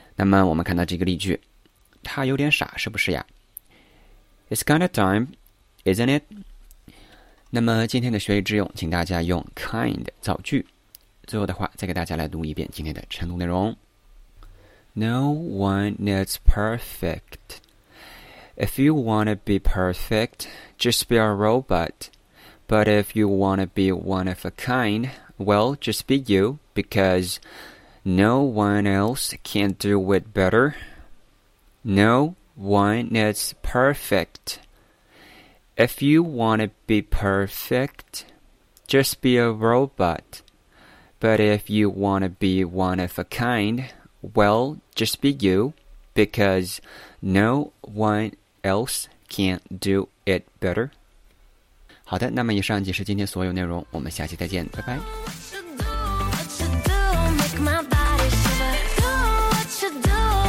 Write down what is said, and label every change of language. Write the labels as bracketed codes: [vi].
[zh] 那么我们看到这个例句，他有点傻是不是呀？ [en] It's kind of time, isn't it? [zh] 那么今天的学以致用，请大家用 kind 造句。最后的话再给大家来读一遍今天的晨读内容。 [en] No one is perfect. If you want to be perfect, just be a robot. But if you want to be one of a kind, well, just be you, because no one else can do it better. No one is perfect. If you want to be perfect, just be a robot. But if you want to be one of a kind, well, just be you, because no one else can do it better. [zh] 好的，那么以上就是今天所有内容，我们下期再见，拜拜。